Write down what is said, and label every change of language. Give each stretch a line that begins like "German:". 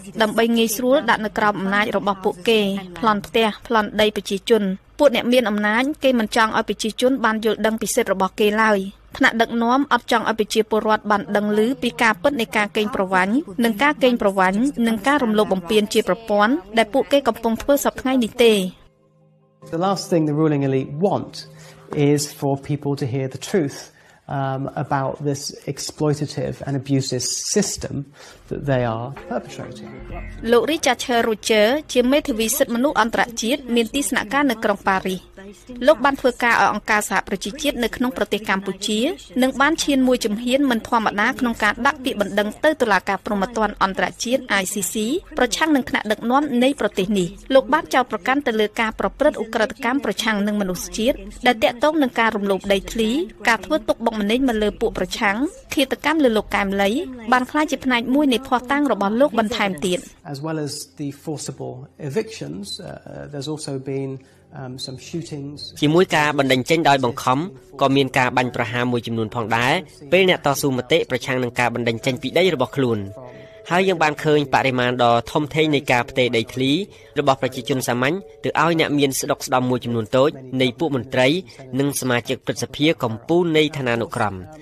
Khmer: ដើម្បីងាយស្រួលដាក់នៅក្រោមអំណាចរបស់ពួកគេប្លន់ផ្ទះប្លន់ដីប្រជាជនពួកអ្នកមានអំណាចគេមិនចង់ឲ្យប្រជាជនបានយល់ដឹងពីសិទ្ធិរបស់គេឡើយថ្នាក់ដឹកនាំអត់ចង់ឲ្យប្រជាពលរដ្ឋបានដឹងឮពីការពិតនៃការកេងប្រវ័ញ្ចនិងការកេងប្រវ័ញ្ចនិងការរំលោភបំពានជាប្រព័ន្ធដែលពួកគេកំពុងធ្វើសពថ្ងៃនេះទេ
English: The last thing the ruling elite want is for people to hear the truth about this exploitative and abusive system that they are perpetrating
Khmer: លោករីចាឆឺរូជឺជាមេធាវីសិទ្ធិមនុស្សអន្តរជាតិមានទីស្នាក់ការនៅក្រុងប៉ារីសលោកបានធ្វើការឲ្យអង្គការសហប្រជាជាតិនៅក្នុងប្រទេសកម្ពុជានិងបានឈានមួយជំហានមិនធម្មតាក្នុងការដាក់ពាក្យបណ្ដឹងទៅតុលាការព្រហ្មទណ្ឌអន្តរជាតិ ICC ប្រឆាំងនឹងថ្នាក់ដឹកនាំនៃប្រទេសនេះលោកបានចោទប្រកាន់ទៅលើការប្រព្រឹត្តឧក្រិដ្ឋកម្មប្រឆាំងនឹងមនុស្សជាតិដែលទាក់ទងនឹងការរំលោភដីធ្លីការធ្វើទុកបុកម្នេញមកលើពួកប្រឆាំងឃាតកម្មលើលោកកែមលីបានក្លាយជាផ្នែកមួយនៃភ័ស្តុតាងរបស់លោកបន្ថែមទៀត
English: As well as the forcible evictions there's also beensome shootings
Khmer: ជាមួយការបណ្ដឹងចេញដោយបង្ខំក៏មានការបាញ់ប្រហារមួយចំនួនផងដែរពេលអ្នកតស៊ូមតិប្រឆាំងនឹងការបណ្ដឹងចេញពីដីរបស់ខ្លួនហើយយើងបានឃើញបរិមាណដ៏ធំធេងនៃការផ្ទេរដីធ្លីរបស់ប្រជាជនសាមញ្ញទៅឲ្យអ្នកមានស្ដុកស្ដំមួយចំនួនតូចនៃពួកមន្ត្រីនិងសមាជិកព្រឹទ្ធសភាកំពូលនៃឋានានុក្រម